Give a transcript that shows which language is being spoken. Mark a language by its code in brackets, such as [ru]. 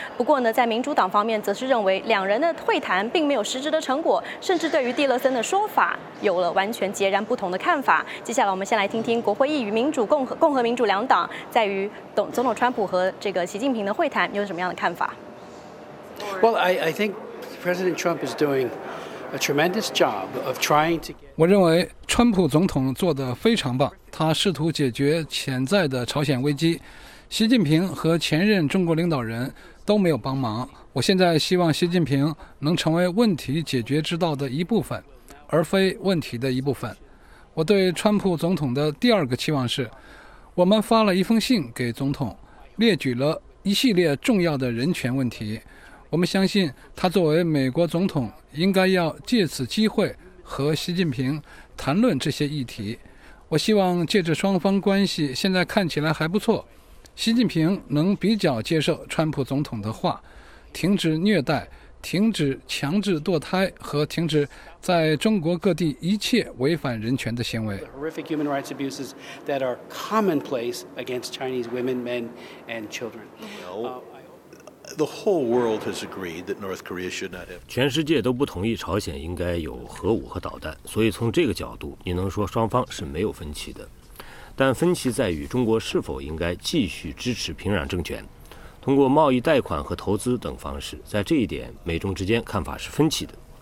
[zh] 不过呢，在民主党方面则是认为两人的会谈并没有实质的成果，甚至对于蒂勒森的说法有了完全截然不同的看法。接下来我们先来听听国会议与民主共和民主两党在于总统川普和这个习近平的会谈，你有什么样的看法 [en] ？Well, I think President Trump is doing a tremendous job of trying to. [zh] 我认为川普总统做得非常棒，他试图解决潜在的朝鲜危机，习近平和前任中国领导人都没有帮忙，我现在希望习近平能成为问题解决之道的一部分，而非问题的一部分。我对川普总统的第二个期望是，我们发了一封信给总统，列举了一系列重要的人权问题。我们相信他作为美国总统，应该要借此机会和习近平谈论这些议题。我希望借着双方关系现在看起来还不错，习近平能比较接受川普总统的话，停止虐待，停止强制堕胎和停止在中国各地一切违反人权的行为。 [en] The horrific human rights abuses that are commonplace against Chinese women, men, and children. The whole world has agreed that North Korea should not have. [zh] 全世界都不同意朝鲜应该有核武和导弹，所以从这个角度，你能说双方是没有分歧的。但分歧在于中国是否应该继续支持平壤政权，通过贸易贷款和投资等方式，在这一点美中之间看法是分歧的。